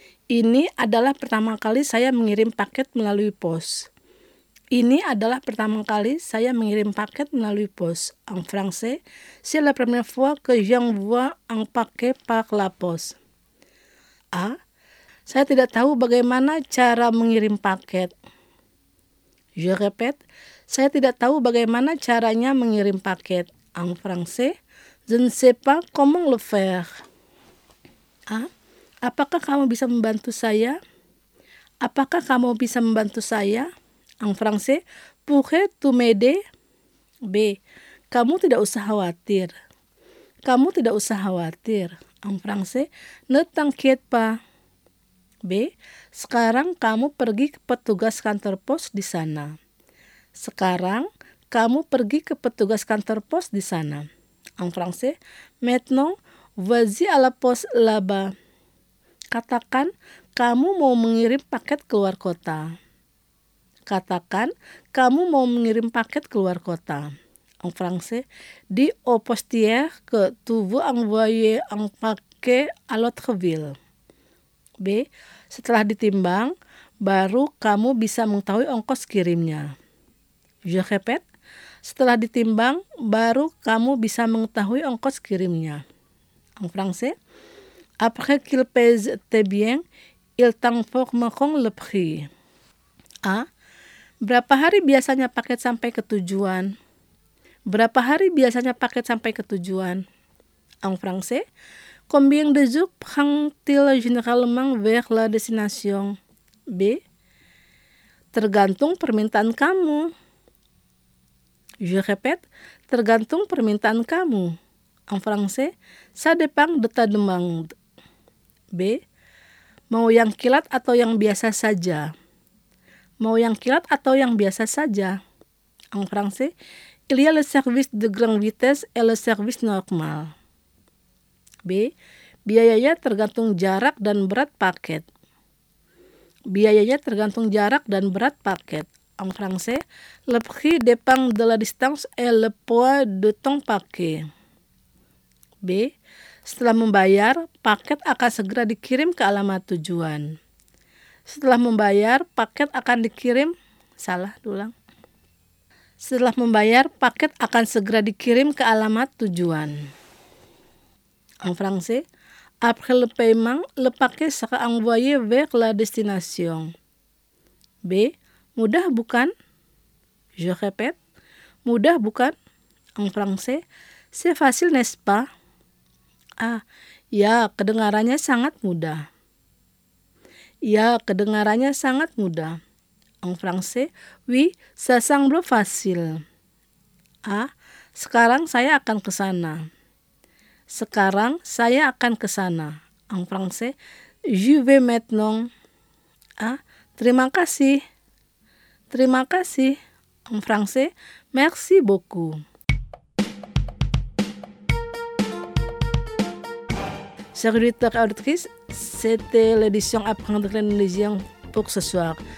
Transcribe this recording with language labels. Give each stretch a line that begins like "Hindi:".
Indonesian: Ini adalah pertama kali saya mengirim paket melalui pos. Ini adalah pertama kali saya mengirim paket melalui pos.
French: En français. C'est la première fois que j'envoie un paquet par la poste.
Indonesian: A. Saya tidak tahu bagaimana cara mengirim paket. Je répète, saya tidak tahu bagaimana caranya mengirim paket.
French: En français, je ne sais pas comment le faire.
Indonesian: Ah, apakah kamu bisa membantu saya? Apakah kamu bisa membantu saya?
French: En français, pourrais-tu m'aider?
Indonesian: B, kamu tidak usah khawatir. Kamu tidak usah khawatir.
French: En français, ne t'inquiète pas. B.
Indonesian: Sekarang kamu pergi ke petugas kantor pos di sana. Sekarang kamu pergi ke petugas kantor pos di sana.
French: En français, maintenant, vas-y à la poste là-bas.
Indonesian: Katakan, kamu mau mengirim paket keluar kota. Katakan, kamu mau mengirim paket keluar kota.
French: En français, dis au postier que tu veux envoyer un paquet à l'autre ville. B.
Indonesian: Setelah ditimbang, baru kamu bisa mengetahui ongkos kirimnya.
French: Je répète.
Indonesian: Setelah ditimbang, baru kamu bisa mengetahui ongkos kirimnya.
French: En français. Après qu'il pèse tes biens, il t'informeront le prix. A.
Indonesian: Berapa hari biasanya paket sampai ke tujuan? Berapa hari biasanya paket sampai ke tujuan?
French: En français. Combien de jours prend-il généralement vers la destination?
Indonesian: B. Tergantung permintaan kamu.
French: Je répète.
Indonesian: Tergantung permintaan kamu.
French: En français, ça dépend de ta demande. B.
Indonesian: Mau yang kilat atau yang biasa saja? Mau yang kilat atau yang biasa saja?
French: En français, il y a le service de grande vitesse et le service normal. B.
Indonesian: Biayanya tergantung jarak dan berat paket. Biayanya tergantung jarak dan berat paket.
French: En français, le prix dépend de la distance et le poids de ton paquet. B.
Indonesian: Setelah membayar, paket akan segera dikirim ke alamat tujuan. Setelah membayar, paket akan dikirim. Salah, ulang. Setelah membayar, paket akan segera dikirim ke alamat tujuan.
French: En français, après le paiement, le paquet sera envoyé vers la destination.
Indonesian: B. Mudah bukan?
French: Je répète.
Indonesian: Mudah bukan?
French: En français, c'est facile, n'est-ce pas? A.
Indonesian: Ya, kedengarannya sangat mudah. Ya, kedengarannya sangat mudah.
French: En français, oui, ça semble facile. A.
Indonesian: Sekarang saya akan ke sana. Sekarang saya akan ke sana.
French: En français, je vais maintenant.
Indonesian: Ah, terima kasih. Terima kasih.
French: En français, merci beaucoup. Chers auditeurs et auditrices, c'était l'édition Apprendre l'indonésien pour ce soir.